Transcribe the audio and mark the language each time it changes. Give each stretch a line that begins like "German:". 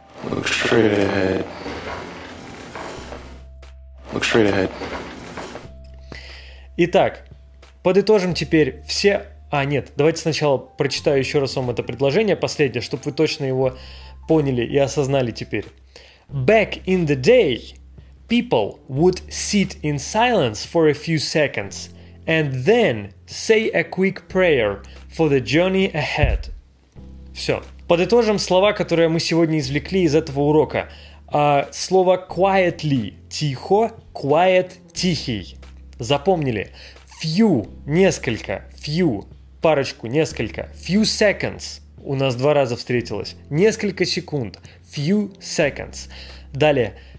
English: Look straight ahead. Look straight ahead.
Russian: Итак, подытожим теперь все... А, нет, давайте сначала прочитаю еще раз вам это предложение, последнее, чтобы вы точно его поняли и осознали теперь.
English: Back in the day, people would sit in silence for a few seconds and then say a quick prayer for the journey ahead.
Russian: Все. Подытожим слова, которые мы сегодня извлекли из этого урока. Слово quietly – тихо, quiet – тихий. Запомнили. Few – несколько, few – парочку, несколько.
English: Few seconds
Russian: – у нас два раза встретилось. Несколько секунд –
English: few seconds.
Russian: Далее.